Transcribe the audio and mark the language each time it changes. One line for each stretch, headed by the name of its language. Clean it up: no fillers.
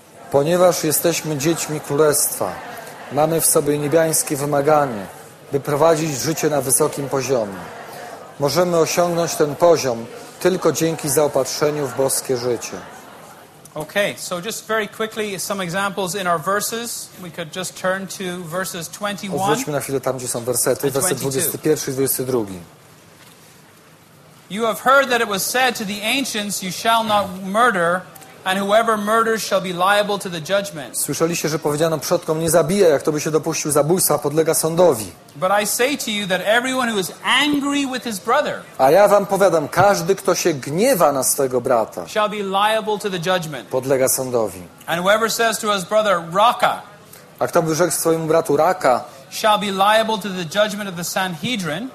Polish: Ponieważ jesteśmy dziećmi Królestwa, mamy w sobie niebiańskie wymaganie, by prowadzić życie na wysokim poziomie. Możemy osiągnąć ten poziom tylko dzięki zaopatrzeniu w boskie życie.
English: Okay, so just very quickly some examples in our verses. We could just turn to verses 21.
Polish: Odwróćmy na chwilę tam, gdzie są wersety, werset 21 i 22.
English: You have heard that it was said to the ancients, you shall not murder. And whoever murders shall be liable to the judgment.
Polish: Słyszeliście, że powiedziano przodkom, nie zabijaj, jak kto by się dopuścił zabójstwa, podlega sądowi.
English: But I say to you that everyone who is angry with his brother.
Polish: A ja wam powiadam, każdy, kto się gniewa na swego brata,
English: shall be liable to the judgment.
Polish: Podlega sądowi.
English: And whoever says to his brother, Raka.
Polish: A kto by rzekł swojemu bratu Raka,
English: shall be liable to the judgment of the Sanhedrin.